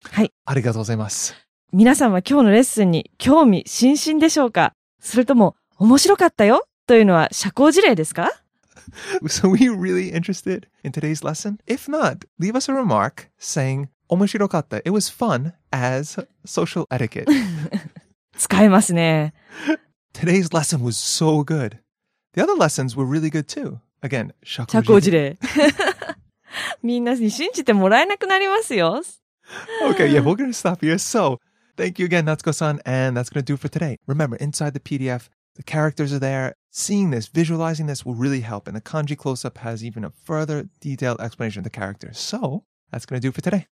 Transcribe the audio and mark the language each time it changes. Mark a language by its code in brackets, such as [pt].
[ja] はい。ありがとうございます。皆さんは今日のレッスンに興味津々でしょうか? それとも面白かったよというのは社交辞令ですか? [en] So were you really interested in today's lesson? If not, leave us a remark saying [ja] 面白かった. [en] It was fun as social etiquette. [ja] 使えますね。 [en] Today's lesson was so good. The other lessons were really good too. Again, [ja] 社交辞令。みんなに信じてもらえなくなりますよ。 [en] Okay, yeah, we're going to stop here. So, thank you again, Natsuko-san, and that's going to do it for today. Remember, inside the PDF, the characters are there. Seeing this, visualizing this will really help. And the kanji close-up has even a further detailed explanation of the characters. So, that's going to do it for today.